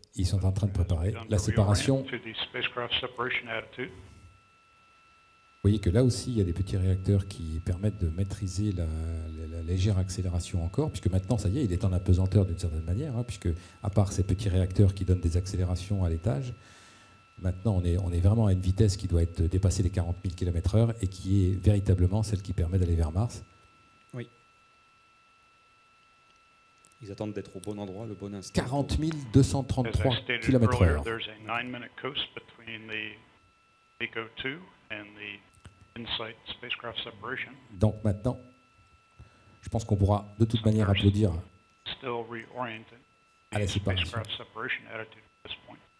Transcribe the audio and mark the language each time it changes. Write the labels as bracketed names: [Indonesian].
[French] Ils sont en train de préparer la séparation. Vous voyez que là aussi, il y a des petits réacteurs qui permettent de maîtriser la légère accélération encore, puisque maintenant, ça y est, il est en apesanteur d'une certaine manière, hein, puisque à part ces petits réacteurs qui donnent des accélérations à l'étage, Maintenant, on est vraiment à une vitesse qui doit être dépassée les 40 000 km/h et qui est véritablement celle qui permet d'aller vers Mars. Oui. Ils attendent d'être au bon endroit, le bon instant. 40 233 km/h. [English] There's a 9-minute coast between the Vico 2 and the InSight spacecraft separation. [French] Donc maintenant, je pense qu'on pourra de toute manière applaudir. [English] Still reorienting the spacecraft separation attitude at this point.